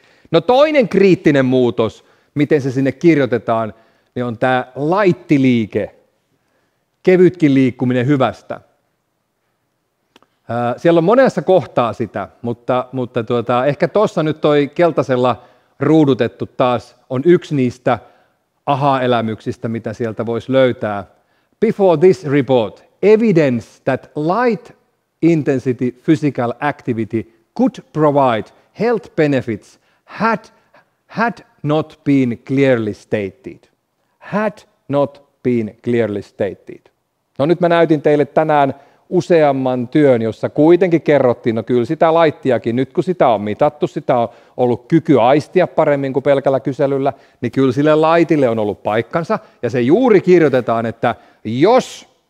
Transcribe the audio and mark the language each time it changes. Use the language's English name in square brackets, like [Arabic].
[Finnish] No toinen kriittinen muutos, miten se sinne kirjoitetaan, niin on tämä laittiliike, kevytkin liikkuminen hyvästä. Siellä on monessa kohtaa sitä, mutta ehkä tuossa nyt toi keltaisella ruudutettu taas on yksi niistä aha-elämyksistä, mitä sieltä voisi löytää. [English] Before this report, evidence that light intensity physical activity could provide health benefits had not been clearly stated. Had not been clearly stated. [Finnish] No nyt mä näytin teille tänään useamman työn, jossa kuitenkin kerrottiin, no kyllä sitä laittiakin, nyt kun sitä on mitattu, sitä on ollut kyky aistia paremmin kuin pelkällä kyselyllä, niin kyllä sille laitille on ollut paikkansa, ja se juuri kirjoitetaan, että jos